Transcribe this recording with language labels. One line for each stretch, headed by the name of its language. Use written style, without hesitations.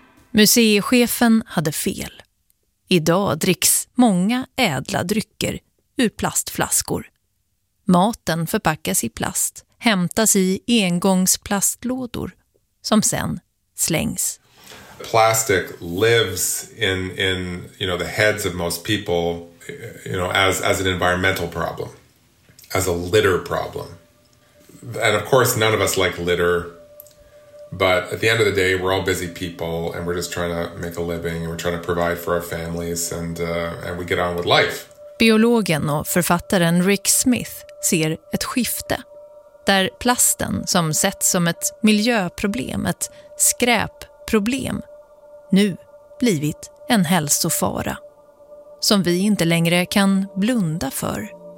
Swedish: Museichefen hade fel. Idag dricks många ädla drycker ur plastflaskor. Maten förpackas i plast, hämtas i engångsplastlådor som sen slängs.
English: Plastic lives in you know the heads of most people, you know, as an environmental problem, as a litter problem. And of course none of us like litter. But at the end of the day, we're all busy people and we're just trying to make a living and we're trying to provide for our families and we get on with life.
Swedish: Biologen och författaren Rick Smith ser ett skifte där plasten som sett som ett miljöproblem, ett skräpproblem, nu blivit en hälsofara som vi inte längre kan blunda för.